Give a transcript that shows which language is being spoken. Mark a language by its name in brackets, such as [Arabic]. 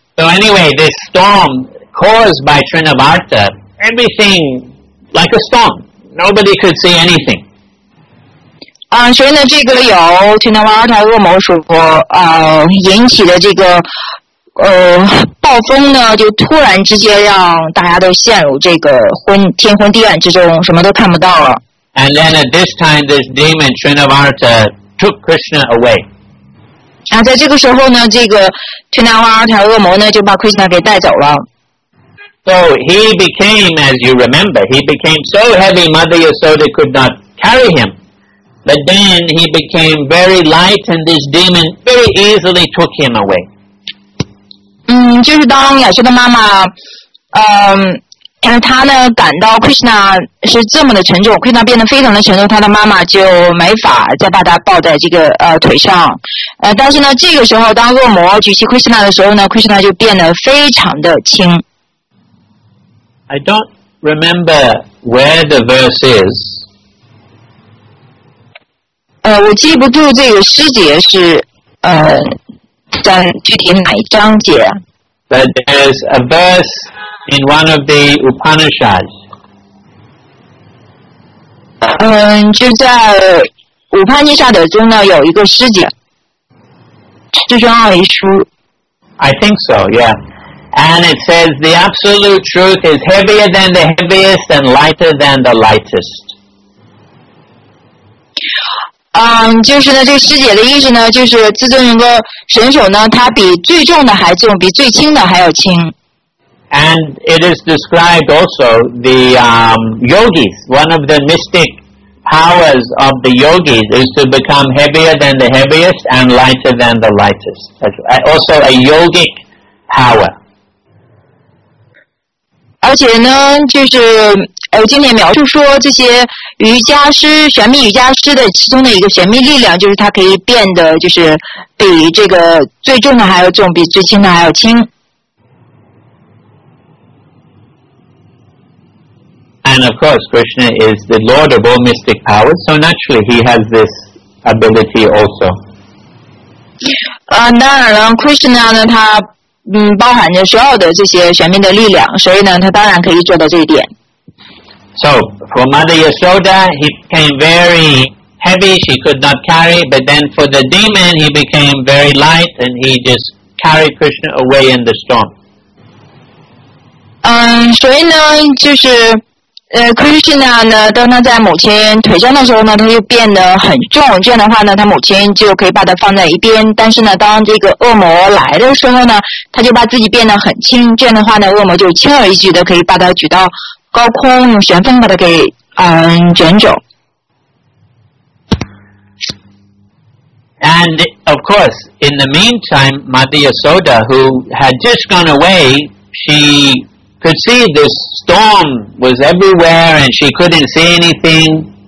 [English] So anyway, this storm caused by Trinavarta, everything like a storm. Nobody could see anything. [Chinese] 所以呢，这个有 Trinavarta 恶魔所引起的这个。暴风呢，就突然之间让大家都陷入这个天昏地暗之中，什么都看不到了。 [English] And then at this time, this demon Trinavarta took Krishna away. [Chinese] 在这个时候呢，这个 Trinavarta 恶魔呢就把 Krishna 给带走了。 [English] So he became, as you remember, he became so heavy, Mother Yasoda could not carry him. But then he became very light, and this demon very easily took him away. [Chinese] 就是当亚修的妈妈，她呢感到 Krishna 是这么的沉重， Krishna 变得非常的沉重，她的妈妈就没法再把她抱在这个腿上。但是呢，这个时候当恶魔举起 Krishna 的时候呢， Krishna 就变得非常的轻。 [English] I don't remember where the verse is. [Chinese] 我记不住这个诗节是在具体哪一章节。 [English] But there's a verse in one of the Upanishads. [Chinese] 就在乌帕尼沙德中呢，有一个诗节，就是奥义书。 [English] I think so, yeah. And it says, the absolute truth is heavier than the heaviest and lighter than the lightest. [Chinese] 就是呢，这个师姐的意思呢，就是自尊人格神手呢，它比最重的还重，比最轻的还要轻。 [English] And it is described also the yogis, one of the mystic powers of the yogis is to become heavier than the heaviest and lighter than the lightest. Also a yogic power. [Chinese] 而且呢，就是经典描述说这些瑜伽师玄秘瑜伽师的其中的一个玄秘力量，就是它可以变得就是比这个最重的还要重，比最轻的还要轻。 [English] And of course, Krishna is the Lord of all mystic powers, so naturally he has this ability also. [Chinese] 当然了 ，Krishna 呢，他包含着所有的这些玄秘的力量，所以呢，他当然可以做到这一点。 [English] So, for Mother Yasoda, he became very heavy, she could not carry, but then for the demon, he became very light, and he just carried Krishna away in the storm. [Chinese] 所以呢，就是Krishna 呢，当他在母亲腿上的时候呢，他就变得很重，这样的话呢，他母亲就可以把他放在一边，但是呢，当这个恶魔来的时候呢，他就把自己变得很轻，这样的话呢，恶魔就轻而易举的可以把他举到高空，用旋风把它给卷走。 [English] And of course, in the meantime, Mother Yasoda, who had just gone away, she could see this storm was everywhere, and she couldn't see anything.